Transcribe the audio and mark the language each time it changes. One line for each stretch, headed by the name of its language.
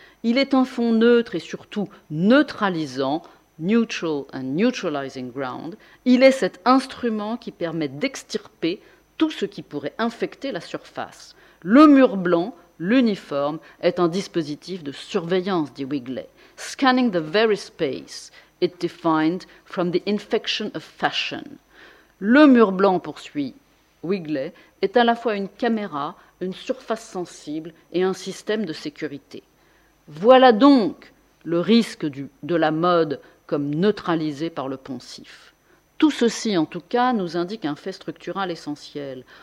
French: Il est un fond neutre et surtout neutralisant,
English: neutral and neutralizing ground.
French: Il est cet instrument qui permet d'extirper tout ce qui pourrait infecter la surface. Le mur blanc, l'uniforme, est un dispositif de surveillance, dit Wigley.
English: Scanning the very space. It defined from the infection of fashion.
French: Le mur blanc, poursuit Wigley, est à la fois une caméra, une surface sensible et un système de sécurité. Voilà donc le risque de la mode comme neutralisée par le poncif. Tout ceci, en tout cas, nous indique un fait structural essentiel.